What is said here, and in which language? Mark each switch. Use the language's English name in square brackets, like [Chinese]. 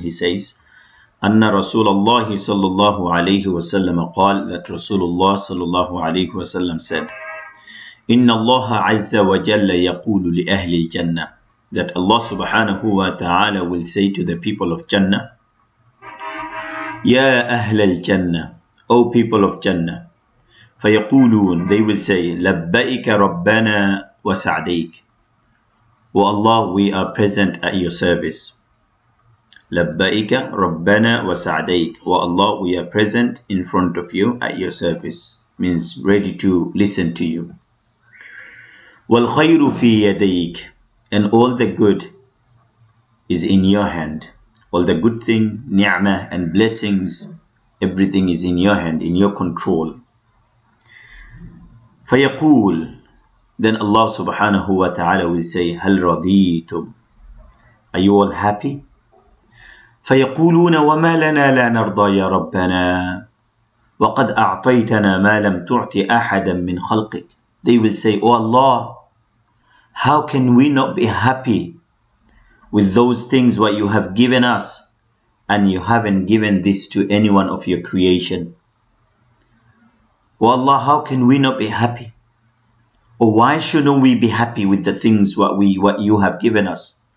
[English] He says [Arabic] أن رسول الله صلى الله عليه وسلم قال, [English] that [Arabic] رسول الله صلى الله عليه وسلم [English] said, [Arabic] إن الله عز وجل يقول لأهل الجنة, [English] that Allah سبحانه وتعالى will say to the people of Jannah, [Arabic] يا أهل الجنة, [English] O people of Jannah, [Arabic] فيقولون, [English] they will say, [Arabic] لبئك ربنا وسعديك, [English] O Allah, we are present at your service. [Arabic] لبئك ربنا وسعديك, [English] O Allah, we are present in front of you at your service, means ready to listen to you. [Arabic] والخير في يديك, [English] and all the good is in your hand. All the good thing, ni'mah and blessings, everything is in your hand, in your control. [Arabic] فيقول, [English] then Allah subhanahu wa ta'ala will say, [Arabic] هل رضيتم, [English] are you all happy? [Arabic] فيقولون وما لنا لا نرضى يا ربنا وقد أعطيتنا ما لم تعطي أحدا من خلقك. [English] They will say, oh Allah, how can we not be happy with those things what you have given us, and you haven't given this to anyone of your creation? Oh Allah, how can we not be happy? Or why shouldn't we be happy with the things what you have given us?